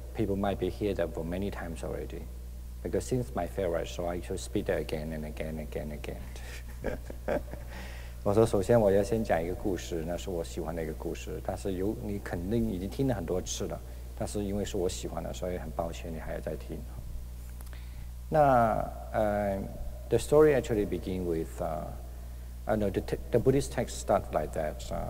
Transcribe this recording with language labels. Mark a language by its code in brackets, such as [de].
[en] People might be hear that for many times already, because since my favorite, so I should speak it again and again and again and again. [zh] 我说，首先我要先讲一个故事，那是我喜欢的一个故事。但是你肯定已经听了很多次了，但是因为是我喜欢的，所以很抱歉你还要再听。那。 [en] The story actually began with, the Buddhist text start like that.